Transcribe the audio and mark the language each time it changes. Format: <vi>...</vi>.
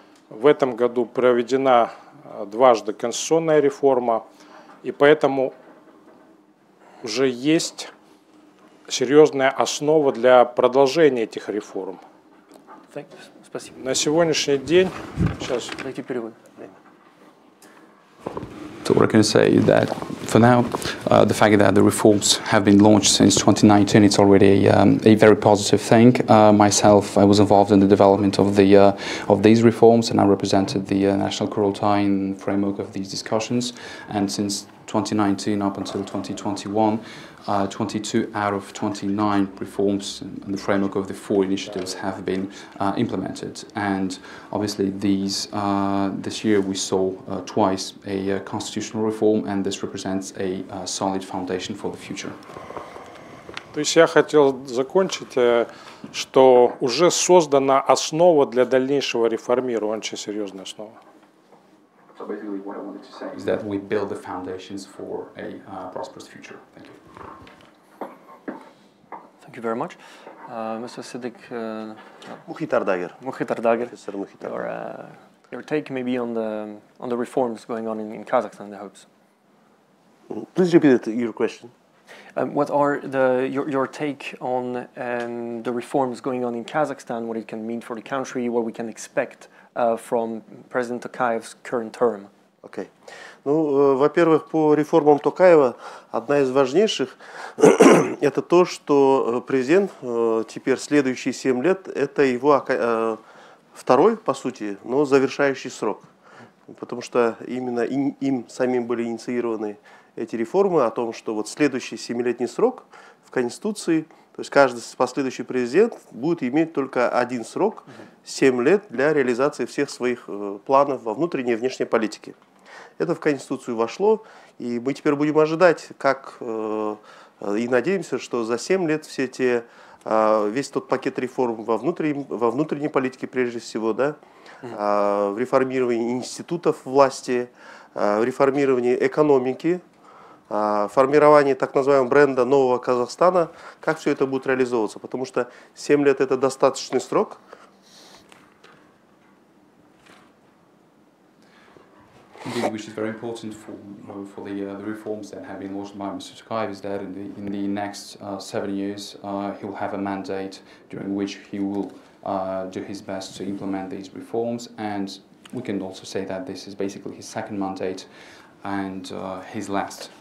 <ru>В этом году проведена дважды конституционная реформа. И поэтому уже есть серьезная основа для продолжения этих реформ. Спасибо. На сегодняшний день сейчас дайте перевод.</ru> <en>So what I can say is that for now, the fact that the reforms have been launched since 2019, it's already a very positive thing. Myself, I was involved in the development of the of these reforms, and I represented the National Kurultai in framework of these discussions. And since 2019 up until 2021, 22 out of 29 reforms in the framework of the four initiatives have been implemented. And obviously, these this year we saw twice a constitutional reform, and this represents a solid foundation for the future.</en> <ru>То есть я хотел закончить, что уже создана основа для дальнейшего реформирования, очень серьезная основа.</ru> <en>So basically, what I wanted to say is that we build the foundations for a prosperous future. Thank you. Thank you very much. Mr. Siddiq. Mukhitar Dagir. Professor Mukhitar. Your take maybe on the reforms going on in Kazakhstan, the hopes. Please repeat it, your question. What are your take on the reforms going on in Kazakhstan, what it can mean for the country, what we can expect from President Tokayev's current term? Okay.</en> <ru>Ну, во-первых, по реформам Токаева одна из важнейших это то, что президент теперь следующие 7 лет это его второй, по сути, но завершающий срок. Потому что именно им самим были инициированы эти реформы о том, что вот следующий 7-летний срок в Конституции, то есть каждый последующий президент будет иметь только один срок, 7 лет для реализации всех своих планов во внутренней и внешней политике. Это в Конституцию вошло, и мы теперь будем ожидать, как и надеемся, что за 7 лет все те, весь тот пакет реформ во внутренней политике прежде всего, да, реформирование институтов власти, реформирование экономики, формирование так называемого бренда нового Казахстана, как все это будет реализовываться, потому что 7 лет это достаточный срок.</ru> <en>Indeed, which is very important for the reforms that have been launched by Mr. Tokayev, is that in the next 7 years he will have a mandate during which he will do his best to implement these reforms, and we can also say that this is basically his second mandate and his last.</en>